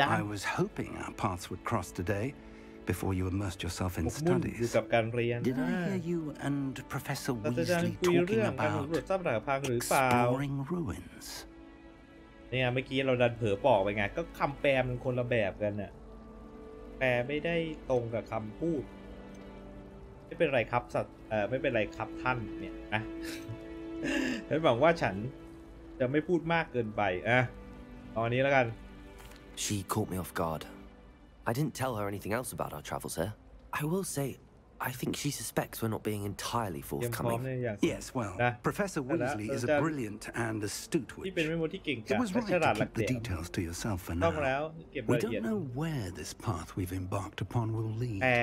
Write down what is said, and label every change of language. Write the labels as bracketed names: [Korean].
[English] I was hoping our paths would cross today, before you immersed yourself in studies. Did I hear you and Professor Weasley talking about exploring ruins? [Thai] เนี่ยเมื่อกี้เราดันเผลอบอกไปไงก็คำแปลมันคนละแบบกันน่ะแปลไม่ได้ตรงกับคำพูดไม่เป็นไรครับไม่เป็นไรครับท่านเนี่ยนะฉันหวังว่าฉันจะไม่พูดมากเกินไปอ่ะตอนนี้แล้วกัน [English] She caught me off guard. I didn't tell her anything else about our travels here. I will say, I think she suspects we're not being entirely forthcoming. Yes, well, Professor Weasley is a brilliant and astute witch. [Thai] ที่เป็นเมมโมที่เก่งก [English] าจ It was right to keep the details to yourself for now. We don't know where this path we've embarked upon will lead.